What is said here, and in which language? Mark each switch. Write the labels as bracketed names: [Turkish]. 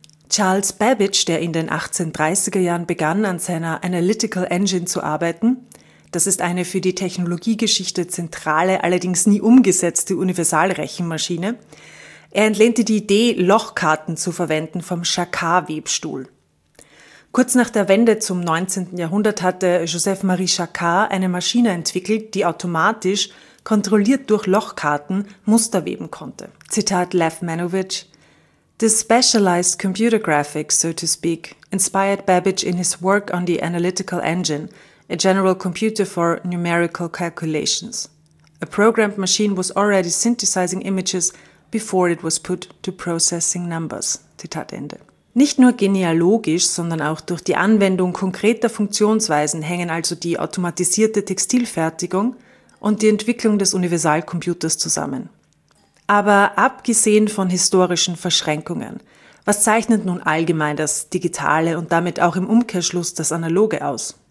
[German] Charles Babbage, der in den 1830er Jahren begann, an seiner Analytical Engine zu arbeiten, das ist eine für die Technologiegeschichte zentrale, allerdings nie umgesetzte Universalrechenmaschine. Er entlehnte die Idee, Lochkarten zu verwenden vom Chacard-Webstuhl. Kurz nach der Wende zum 19. Jahrhundert hatte Joseph-Marie Chacard eine Maschine entwickelt, die automatisch, kontrolliert durch Lochkarten, Muster weben konnte. [English] Zitat Lev Manovich: "The specialized computer graphics, so to speak, inspired Babbage in his work on the analytical engine, a general computer for numerical calculations. A programmed machine was already synthesizing images before it was put to processing numbers." [German] Zitat Ende. Nicht nur genealogisch, sondern auch durch die Anwendung konkreter Funktionsweisen hängen also die automatisierte Textilfertigung und die Entwicklung des Universalcomputers zusammen. Aber abgesehen von historischen Verschränkungen, was zeichnet nun allgemein das Digitale und damit auch im Umkehrschluss das Analoge aus?